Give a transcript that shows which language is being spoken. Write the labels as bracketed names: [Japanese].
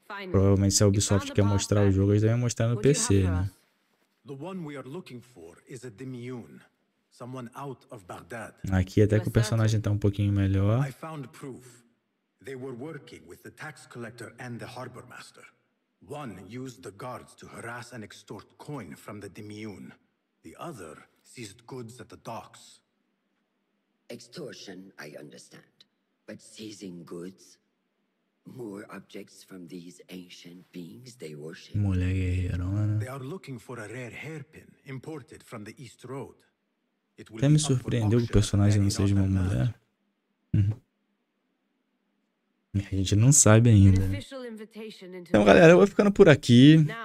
[Portuguese] Provavelmente se a Ubisoft quer mostrar o jogo, eles devem mostrar no PC, né? [English] The one we are looking for is a Demiun, someone out of Baghdad. [Portuguese] Aqui até que o personagem tá um pouquinho melhor. [English] I found proof. They were working with the tax collector and the harbor master. One used the guards to harass and extort coin from the Demiun. The other seized goods at the docks. Extortion, I understand. But seizing goods? More objects from these ancient beings they worship. [Portuguese] Mulher guerreirona. [English] They are looking for a rare hairpin imported from the East Road. It will. [Portuguese] Até me surpreendeu que o personagem não seja uma mulher. A gente não sabe ainda. Então, galera, eu vou ficando por aqui.